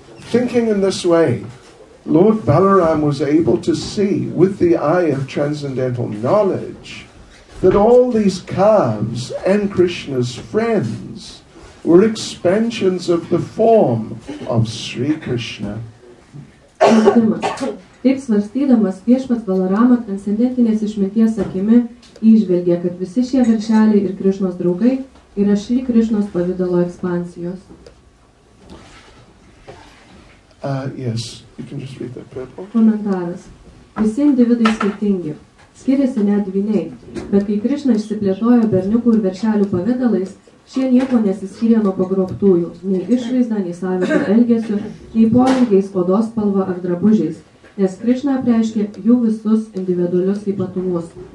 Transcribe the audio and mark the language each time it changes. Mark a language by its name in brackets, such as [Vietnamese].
[English] Thinking in this way, Lord Balaram was able to see with the eye of transcendental knowledge that all these calves and Krishna's friends were expansions of the form of Sri Krishna. [Lithuanian] Taip svarstydamas viešpats Balarama transcendentinės išminties akimi įžvelgė, kad visi šie veršeliai ir Krišnos draugai yra Sri Krišnos pavidalo ekspansijos. [English] Yes, you can just read that purple. [Lithuanian] Komentaras. Visi individai skirtingi. Skiriasi net dviniai. Bet kai Krišna išsiplėtojo berniukų ir veršelių pavidalais, šie nieko nesiskyrė nuo pagrobtųjų. Nei išvaizda, nei savito elgesio, nei polinkiais spodos spalva ar drabužiais. Nes Krišna apreiškė jų visus individualius ypatumus.